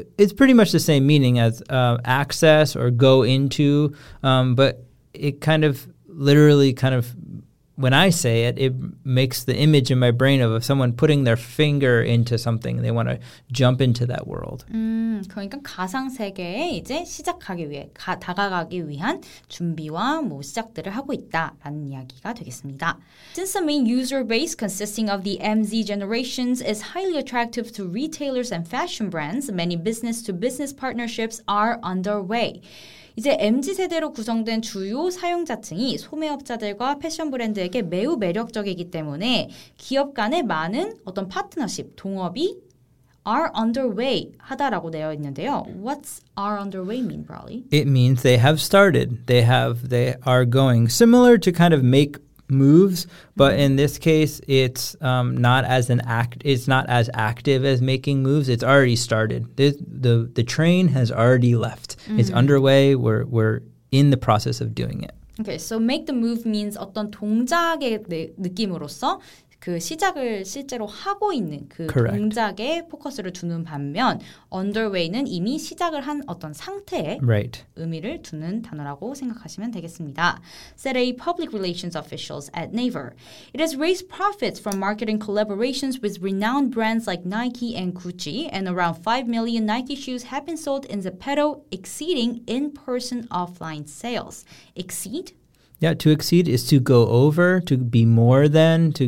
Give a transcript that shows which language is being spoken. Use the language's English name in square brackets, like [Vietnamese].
[English] It's pretty much the same meaning as access or go into. But it kind of literally kind of, when I say it, it makes the image in my brain of someone putting their finger into something. They want to jump into that world. [Korean] 그러니까 가상 세계에 이제 시작하기 위해 다가가기 위한 준비와 뭐 시작들을 하고 있다라는 이야기가 되겠습니다. [English] Since the main user base consisting of the MZ generations is highly attractive to retailers and fashion brands, many business-to-business partnerships are underway. [Korean] 이제 MZ세대로 구성된 주요 사용자층이 소매업자들과 패션 브랜드에게 매우 매력적이기 때문에 기업 간의 많은 어떤 파트너십, 동업이 [English] are underway [Korean] 하다라고 되어 있는데요. [English] What's are underway mean, Broly? It means they have started. They are going. Similar to kind of make moves, but in this case, it's not as an act. It's not as active as making moves. It's already started. The train has already left. Mm-hmm. It's underway. We're in the process of doing it. Okay, so make the move means [Korean] 어떤 동작의 느낌으로서 그 시작을 실제로 하고 있는 그 [English] Correct. [Korean] 동작에 포커스를 두는 반면 underway는 이미 시작을 한 어떤 상태에 [English] right. [Korean] 의미를 두는 단어라고 생각하시면 되겠습니다. [English] Said a public relations officials at Naver. It has raised profits from marketing collaborations with renowned brands like Nike and Gucci, and around 5 million Nike shoes have been sold in Zepeto, exceeding in-person offline sales. Exceed? Yeah, to exceed is to go over, to be more than.